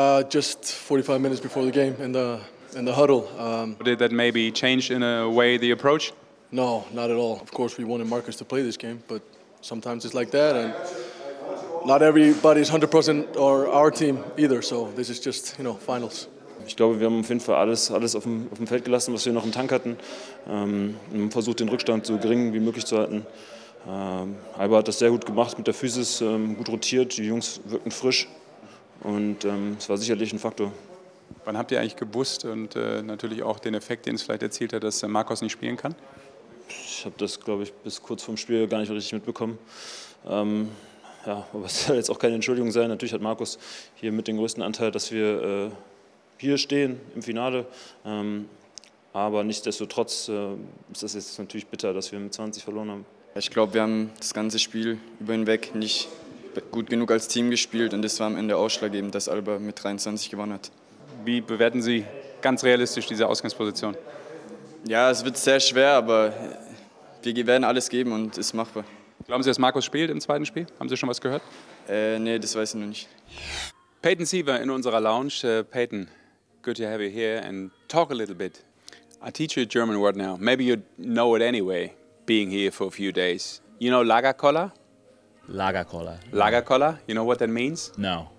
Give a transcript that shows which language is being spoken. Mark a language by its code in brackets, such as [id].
[en] Just 45 minutes before the game in the huddle. Did that maybe change in a way the approach? No, not at all. Of course, we wanted Marcus to play this game, but sometimes it's like that, and not everybody's 100% or our team either, so this is just, you know, finals. [de] Ich glaube, wir haben auf jeden Fall alles auf dem Feld gelassen, was wir noch im Tank hatten. Wir haben versucht, den Rückstand so gering wie möglich zu halten. Alba hat das sehr gut gemacht mit der Physis, gut rotiert, die Jungs wirkten frisch und es war sicherlich ein Faktor. Wann habt ihr eigentlich gewusst und natürlich auch den Effekt, den es vielleicht erzielt hat, dass Marcos nicht spielen kann? Ich habe das, glaube ich, bis kurz vorm Spiel gar nicht richtig mitbekommen. Ja, aber es soll jetzt auch keine Entschuldigung sein. Natürlich hat Marcos hier mit dem größten Anteil, dass wir hier stehen im Finale. Aber nichtsdestotrotz ist das jetzt natürlich bitter, dass wir mit 20 verloren haben. Ich glaube, wir haben das ganze Spiel über hinweg nicht gut genug als Team gespielt. Und das war am Ende ausschlaggebend, dass Alba mit 23 gewonnen hat. Wie bewerten Sie ganz realistisch diese Ausgangsposition? Ja, es wird sehr schwer, aber wir werden alles geben und es ist machbar. Glauben Sie, dass Marcos spielt im zweiten Spiel? Haben Sie schon was gehört? Nee, das weiß ich noch nicht. Peyton Siever in unserer Lounge. [en] Peyton, good to have you here and talk a little bit. I teach you a German word now. Maybe you know it anyway, being here for a few days. You know Lagerkoller? [de] Lagerkoller. [en] Lagerkoller? You know what that means? No.